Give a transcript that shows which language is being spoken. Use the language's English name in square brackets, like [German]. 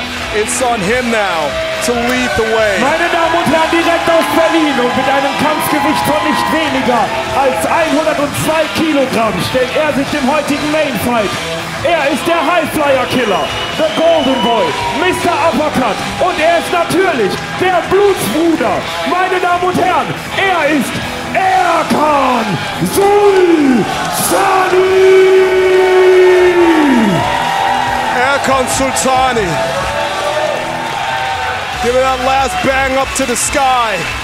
[English] It's on him now to lead the way. [German] Meine Damen und Herren, direkt aus Berlin und mit einem Kampfgewicht von nicht weniger als 102 Kilogramm stellt er sich dem heutigen Mainfight Er ist der Highflyer-Killer, the Golden Boy, Mr. Uppercut. Und er ist natürlich der Blutsbruder. Meine Damen und Herren, er ist Erkan Sulcani! Erkan Sulcani. [English] Give it that last bang up to the sky.